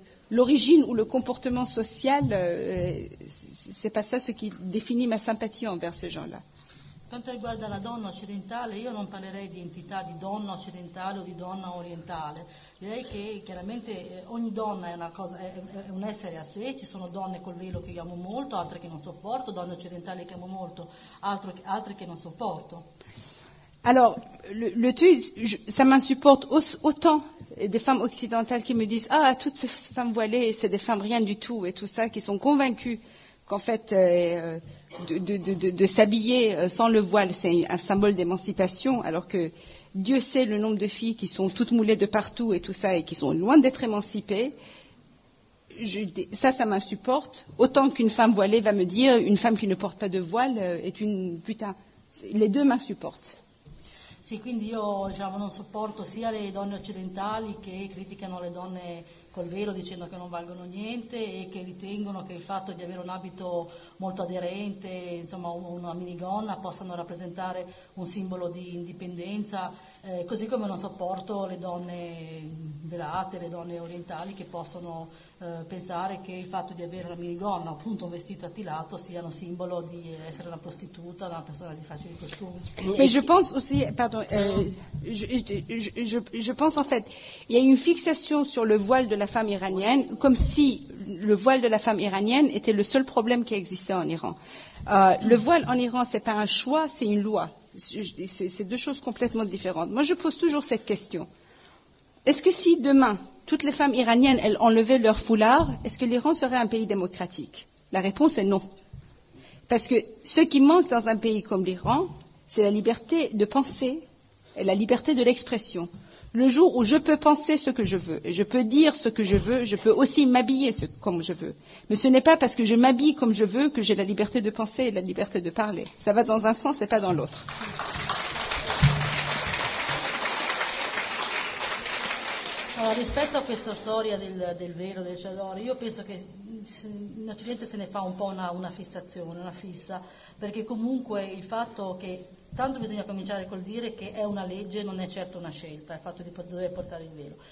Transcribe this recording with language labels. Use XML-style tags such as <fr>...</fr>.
<fr>l'origine ou le comportement social, c'est pas ça ce qui définit ma sympathie envers ces gens-là.</fr> <it>Quanto riguarda la donna occidentale, io non parlerei di entità di donna occidentale o di donna orientale. Direi che chiaramente ogni donna è una cosa, è un essere a sé. Ci sono donne col velo che amo molto, altre che non sopporto, donne occidentali che amo molto, altre che non sopporto.</it> <fr>Alors, le tuis, ça m'insupporte autant des femmes occidentales qui me disent « Ah, toutes ces femmes voilées, c'est des femmes rien du tout » et tout ça, qui sont convaincues qu'en fait, de s'habiller sans le voile, c'est un symbole d'émancipation, alors que Dieu sait le nombre de filles qui sont toutes moulées de partout et tout ça, et qui sont loin d'être émancipées. Ça m'insupporte autant qu'une femme voilée va me dire « Une femme qui ne porte pas de voile est une putain ». Les deux m'insupportent.</fr> <it>Sì, quindi io diciamo, non sopporto sia le donne occidentali che criticano le donne col velo dicendo che non valgono niente e che ritengono che il fatto di avere un abito molto aderente, insomma una minigonna, possano rappresentare un simbolo di indipendenza, così come non sopporto le donne velate, le donne orientali che possono pensare che il fatto di avere una minigonna, appunto un vestito attillato, sia un simbolo di essere una prostituta, una persona di facili costumi.</it> <fr>Ma je pense aussi, pardon, je pense en fait, il y a une fixation sur le voile de la femme iranienne, comme si le voile de la femme iranienne était le seul problème qui existait en Iran. Le voile en Iran, c'est pas un choix, c'est une loi. C'est deux choses complètement différentes. Moi, je pose toujours cette question. Est-ce que si demain, toutes les femmes iraniennes, elles enlevaient leur foulard, est-ce que l'Iran serait un pays démocratique? La réponse est non. Parce que ce qui manque dans un pays comme l'Iran, c'est la liberté de penser et la liberté de l'expression. Le jour où je peux penser ce que je veux, et je peux dire ce que je veux, je peux aussi m'habiller comme je veux. Mais ce n'est pas parce que je m'habille comme je veux que j'ai la liberté de penser et la liberté de parler. Ça va dans un sens et pas dans l'autre.</fr> <it>Allora, rispetto a questa storia del velo, del cialore, io penso che in Occidente se ne fa un po' una fissazione, una fissa, perché comunque il fatto che tanto bisogna cominciare col dire che è una legge, non è certo una scelta, il fatto di dover portare il velo.</it>